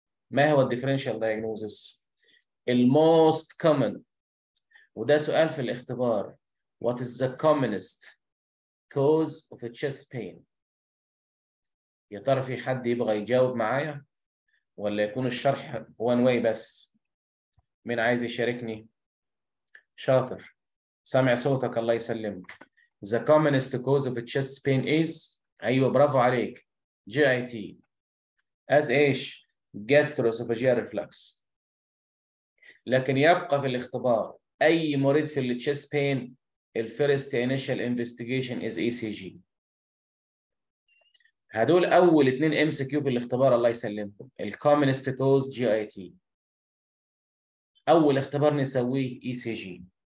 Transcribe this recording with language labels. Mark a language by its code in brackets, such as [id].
[ar] ما هو [en] الديفرنشال دايجنوزس؟ الموست كومن، [ar] وده سؤال في الاختبار، [en] وات از ذا كومنست كوز اوف تشيس بين. [ar] يا ترى في حد يبغى يجاوب معايا ولا يكون الشرح [en] one way [ar] بس؟ مين عايز يشاركني؟ شاطر، سامع صوتك، الله يسلمك. [en] The commonest cause of chest pain is، [ar] ايوه برافو عليك، [en] GIT. As ايش؟ gastroesophageal reflux. [ar] لكن يبقى في الاختبار، اي مريض في [en] chest pain ال first initial investigation is ECG. [ar] هدول اول اثنين MCQ في الاختبار، الله يسلمكم. ال commonest cause GIT، اول اختبار نسويه اي سي جي.